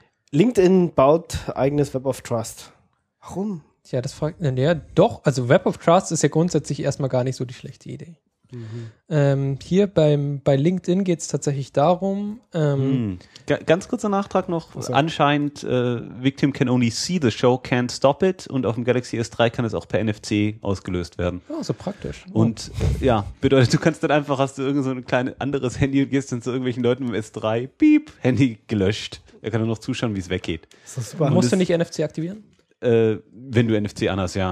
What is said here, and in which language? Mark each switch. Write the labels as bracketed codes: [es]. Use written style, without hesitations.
[de] LinkedIn baut eigenes Web of Trust. Warum? Ja, das fragt. Ja, doch. Also, Web of Trust ist ja grundsätzlich erstmal gar nicht so die schlechte Idee. Mhm. Hier bei LinkedIn geht es tatsächlich darum. Ganz kurzer Nachtrag noch. Also, anscheinend, [en] Victim can only see the show, can't stop it. [de] Und auf dem Galaxy S3 kann es auch per NFC ausgelöst werden. Oh, so praktisch. Und bedeutet, du kannst dann einfach, hast du irgend so ein kleines anderes Handy und gehst dann zu irgendwelchen Leuten mit dem S3, piep, Handy gelöscht. Er kann nur noch zuschauen, wie es weggeht. Das ist super. Musst du nicht NFC aktivieren? Wenn du NFC an hast, ja.